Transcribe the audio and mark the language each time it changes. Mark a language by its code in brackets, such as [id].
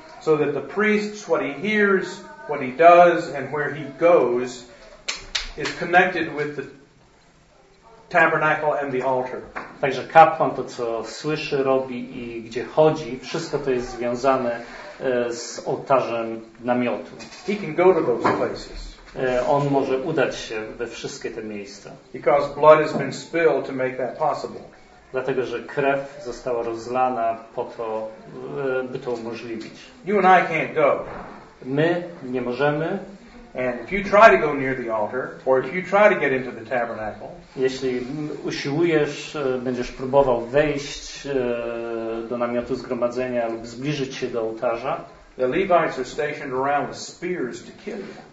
[en] So that the priest, what he hears, what he does and where he goes is connected with the tabernacle and the altar. [pl] Także kapłan to, co słyszy, robi i gdzie chodzi, wszystko to jest związane z ołtarzem namiotu. [en] He can go to those places. [pl] on może udać się we wszystkie te miejsca. [en] Because blood has been spilled to make that possible. [pl] Dlatego, że krew została rozlana po to, by to umożliwić. [en] You and I can't go. [pl] My nie możemy. [en] And if you try to go near the altar, or if you try to get into the tabernacle, [pl] jeśli usiłujesz, będziesz próbował wejść do namiotu zgromadzenia lub zbliżyć się do ołtarza, [en] the Levites are stationed around with spears to kill you.